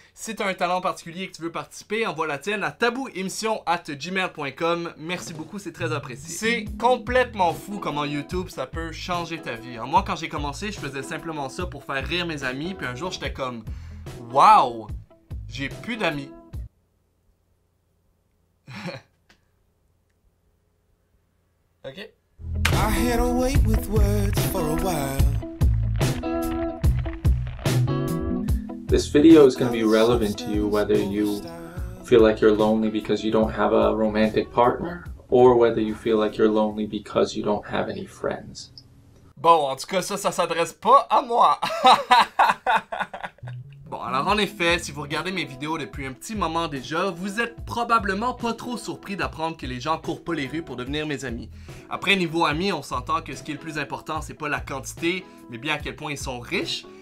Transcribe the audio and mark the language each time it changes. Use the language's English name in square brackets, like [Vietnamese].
[French] Si t'as un talent particulier et que tu veux participer, envoie la tienne à tabouemission@gmail.com. Merci beaucoup, c'est très apprécié. C'est complètement fou comment YouTube ça peut changer ta vie. Moi quand j'ai commencé, je faisais simplement ça pour faire rire mes amis, puis un jour j'étais comme « Wow, j'ai plus d'amis ». [English] Okay. I had to wait with words for a while. This video is going to be relevant to you whether you feel like you're lonely because you don't have a romantic partner or whether you feel like you're lonely because you don't have any friends. [French] Bon, en tout cas, ça s'adresse pas à moi. Bon, alors en effet, si vous regardez mes vidéos depuis un petit moment déjà, vous êtes probablement pas trop surpris d'apprendre que les gens courent pas les rues pour devenir mes amis. Après, niveau amis, on s'entend que ce qui est le plus important, c'est pas la quantité, mais bien à quel point ils sont riches.